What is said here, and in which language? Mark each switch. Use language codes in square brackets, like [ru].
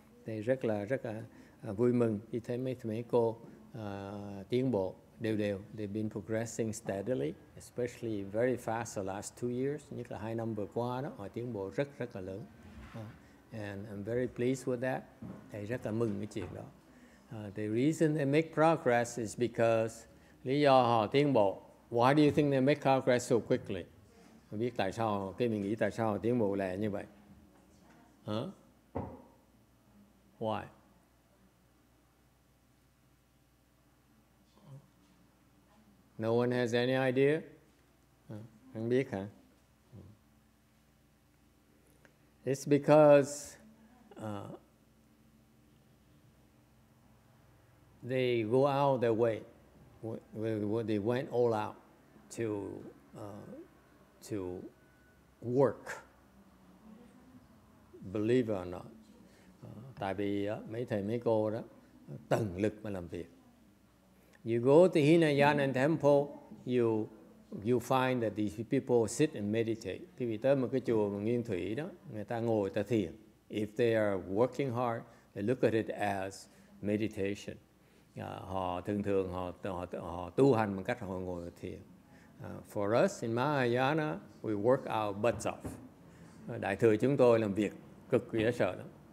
[vi] Thì rất là vui mừng khi thấy mấy cô tiến bộ. Đều. [en] They've been progressing steadily, especially very fast the last 2 years. [vi] Nhất là 2 năm vừa qua đó, họ tiến bộ rất là lớn. [en] And I'm very pleased with that. [vi] Thầy rất là mừng cái chuyện đó. [en] The reason they make progress is because [vi] lý do họ tiến bộ. [en] Why do you think they make progress so quickly? [vi] Không biết tại sao, cái mình nghĩ tại sao họ tiến bộ lẹ như vậy. [en] Huh? Why? No one has any idea? [vi] Không biết hả? [en] It's because they go out their way. They went all out. to work, believe it or not. [vi] Tại vì mấy thầy mấy cô đó tận lực mà làm việc. [en] You go to Hinayana Temple, you find that these people sit and meditate. [vi] Khi vị tới một cái chùa mà nghiêng thủy đó, người ta ngồi, người ta thiền. [en] If they are working hard, they look at it as meditation. [vi] Họ thường thường họ tu hành bằng cách họ ngồi thiền. [en] For us in Mahayana, we work our butts off. [vi] Đại thừa chúng tôi làm việc cực kỳ sợ lắm.